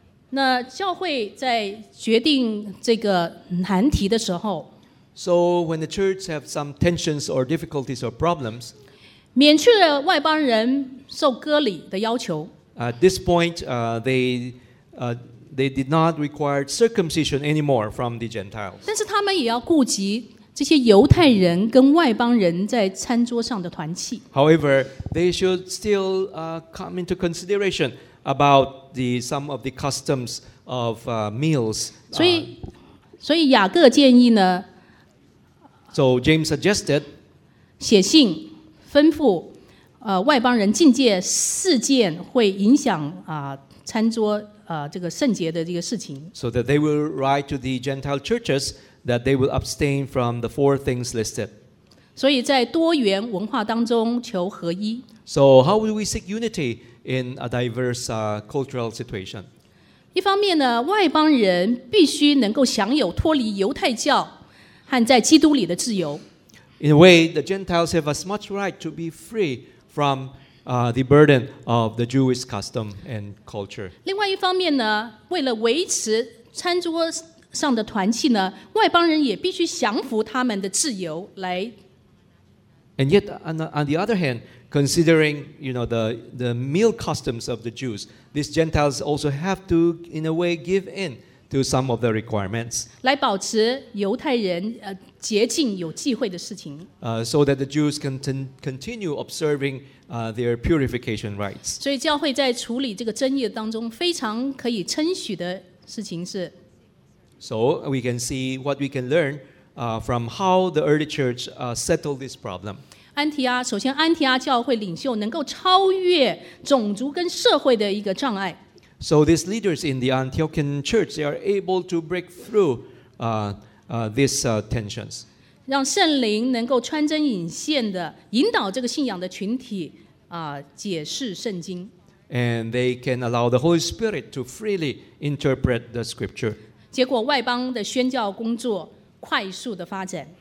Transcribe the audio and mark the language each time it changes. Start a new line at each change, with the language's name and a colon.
Chinese: 那教会在决定这个难题的时候
English: ，So when the church have some tensions or difficulties or problems,
Chinese: 免去了外邦人受割礼的要求。
English: At this point, they did not require circumcision anymore from the Gentiles.
Chinese: 但是他们也要顾及。这些犹太人跟外邦人在餐桌上的团契。
English: However, they should still come into consideration about some of the customs of meals.
Chinese: 所以雅各建议呢
English: ？So James suggested
Chinese: 写信吩咐外邦人禁戒四件会影响餐桌这个圣洁的这个事情。
English: So that they will write to the Gentile churches. That they will abstain from the four things listed.
Chinese: 所以在多元文化当中求合一。
English: So how would we seek unity in a diverse cultural situation?
Chinese: 一方面呢，外邦人必须能够享有脱离犹太教和在基督里的自由。
English: In a way, the Gentiles have as much right to be free from the burden of the Jewish custom and culture.
Chinese: 另外一方面呢，为了维持餐桌。上的团契呢，外邦人也必须降服他们的自由来。
English: And yet, on the other hand, considering you know the meal customs of the Jews, these Gentiles also have to, in a way, give in to some of the requirements.
Chinese: 来保持犹太人洁净有忌讳的事情。
English: So that the Jews can continue observing their purification rites.
Chinese: 所以教会在处理这个争议当中非常可以称许的事情是。
English: So we can see what we can learn from how the early church settled this problem.
Chinese: 安提阿，首先安提阿教会领袖能够超越种族跟社会的一个障碍。
English: So these leaders in the Antiochian church, they are able to break through these tensions.
Chinese: 让圣灵能够穿针引线的引导这个信仰的群体解释圣经。
English: And they can allow the Holy Spirit to freely interpret the scripture.
Chinese: 结果外邦的宣教工作快速的发展。